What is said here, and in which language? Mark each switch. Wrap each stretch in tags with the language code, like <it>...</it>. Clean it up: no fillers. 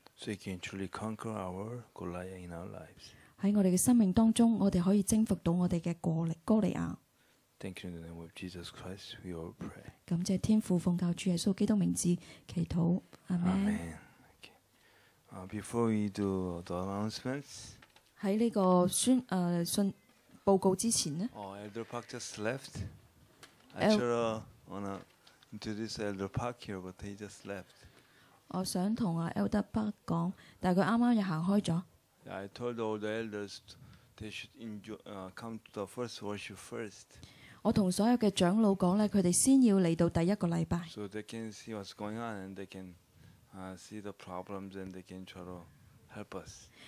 <en>So you can truly conquer our Goliath in our lives.</en> <yue>喺我哋嘅生命當中，我哋可以征服到我哋嘅哥利亞。</yue> <en>Thank you in the name of Jesus Christ. We all pray.</en> <yue>感謝天父，奉教主耶穌基督名字祈禱。</yue> <en>Amen. Okay. Before we do the announcements,</en> <yue>喺呢個宣信報告之前咧。</yue> <en>Elder Park just left. I just wanna to this Elder Park here, but he just left.</en> <yue>我想同阿 Elder Park講，但佢啱啱又行開咗。</yue> <en>I told all the elders they should enjoy, come to the first worship first.</en> <yue>我同所有嘅長老講咧，佢哋先要嚟到第一個禮拜。</yue> <en>So they can see what's going on and they can see the problems and they can try to help us.</en>